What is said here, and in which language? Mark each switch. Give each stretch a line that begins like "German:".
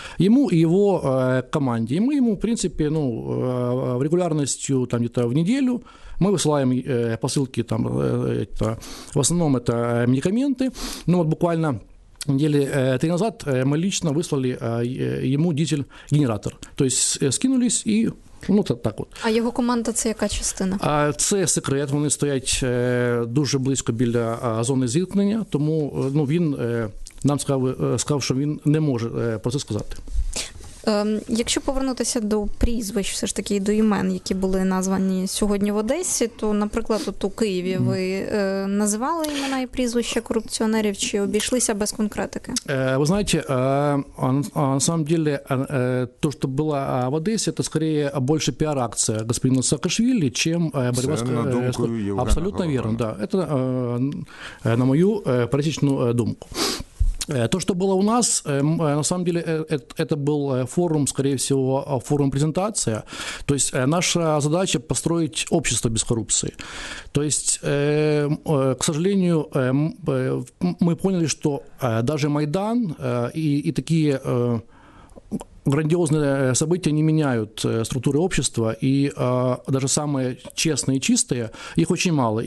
Russian: Ему и его команде. И мы ему, в принципе, ну, регулярностью там где-то в неделю мы высылаем посылки, там, это, в основном это медикаменты. Ну вот буквально недели три назад мы лично выслали ему дизель-генератор. То есть скинулись и, ну, так вот. А его команда
Ukrainian: це яка частина? Це секрет, вони стоять дуже близько біля зони зіткнення, тому, ну, він нам сказав, що він не може про це сказати. Якщо повернутися до прізвищ, все ж таки, до імен, які були названі сьогодні в Одесі, то, наприклад, от у Києві ви називали імена і прізвища корупціонерів, чи обійшлися без конкретики? Ви знаєте,
Russian: на самом деле,
Ukrainian: то, що було в Одесі, це, скоріше, більше піар-акція господина Саакашвілі, ніж боротьба з корупцією. Абсолютно вірно, так. Це на мою пересічну думку.
Russian: То, что было у нас, на самом деле, это был форум, скорее всего, форум-презентация. То есть наша задача – построить общество без коррупции. То есть, к сожалению, мы поняли, что даже Майдан и такие грандиозные события не меняют структуры общества, и даже самые честные и чистые, их очень мало.